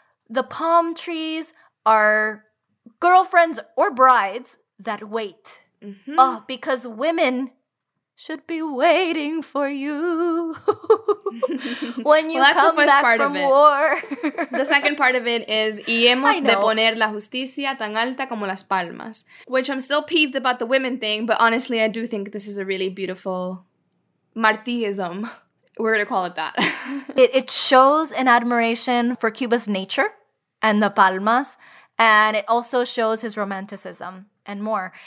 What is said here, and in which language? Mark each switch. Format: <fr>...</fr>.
<en>The palm trees are girlfriends or brides that wait. Mm-hmm. Oh, because women should be waiting for you when you come back from war. The second part of it is,</en> <es>y hemos de poner la justicia tan alta como las palmas.</es> <en>Which I'm still peeved about the women thing, but honestly, I do think this is a really beautiful Martíism. We're going to call it that. It shows an admiration for Cuba's nature and the palmas, and it also shows his romanticism. And more.</en>